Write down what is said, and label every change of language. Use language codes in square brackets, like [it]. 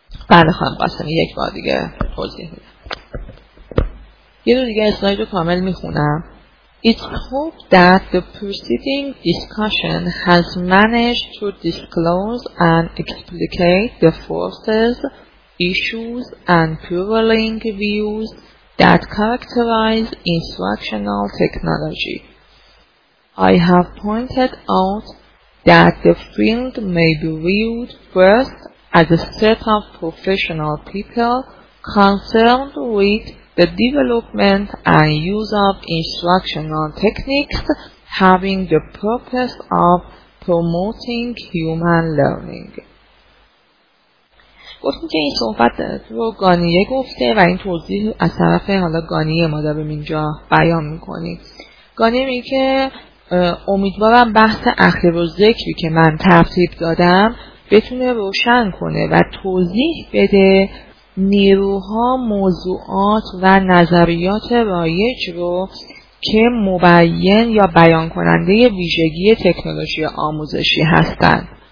[fa] بله خانم قاسمی، یک بار دیگه توضیح میدم. یه دو دیگه اسلاید رو کامل میخونم. [en] It's hoped that the preceding discussion has managed to disclose and explicate the forces, issues and prevailing views that characterize instructional technology. I have pointed out that the field may be viewed first as a set of professional people concerned with the development and use of instructional techniques having the purpose of promoting human learning. [fa] گفتم که این صحبت رو گانیه گفته و این توضیح از طرف حالا گانیه ما داریم اینجا بیان میکنیم. گانیه میگه که امیدوارم بحث اخیر و ذکری که من ترتیب دادم بتونه روشن کنه و توضیح بده نیروها، موضوعات و نظریات رایج رو که مبین یا بیان کننده ویژگی تکنولوژی آموزشی هستند.